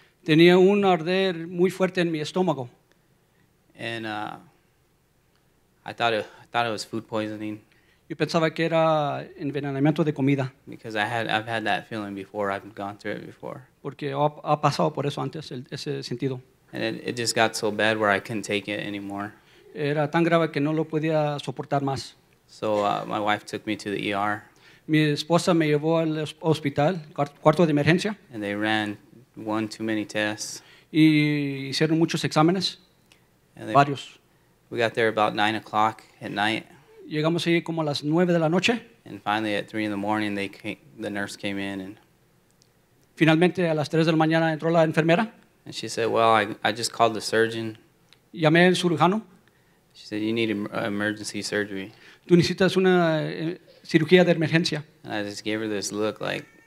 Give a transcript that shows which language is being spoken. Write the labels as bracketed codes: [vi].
[es] Tenía un arder muy fuerte en mi estómago. [en] And I thought it was food poisoning. [es] Yo pensaba que era envenenamiento de comida. [en] Because I've had that feeling before. I've gone through it before. [es] Porque ha pasado por eso antes, ese sentido. [en] And it just got so bad where I couldn't take it anymore. [es] Era tan grave que no lo podía soportar más. [en] So my wife took me to the ER. [es] Mi esposa me llevó al hospital, cuarto de emergencia. [en] And they ran one too many tests. [es] Y hicieron muchos exámenes, varios. [en] We got there about 9 o'clock at night. [es] Llegamos ahí como a las 9 de la noche. [en] And finally at 3 in the morning the nurse came in. And [es] finalmente a las 3 de la mañana entró la enfermera. [en] And she said, "Well, I just called the surgeon." [es] Llamé al cirujano. [en] She said, "You need emergency surgery." [es] Tú necesitas una cirugía de emergencia. [en] And I just gave her this look like.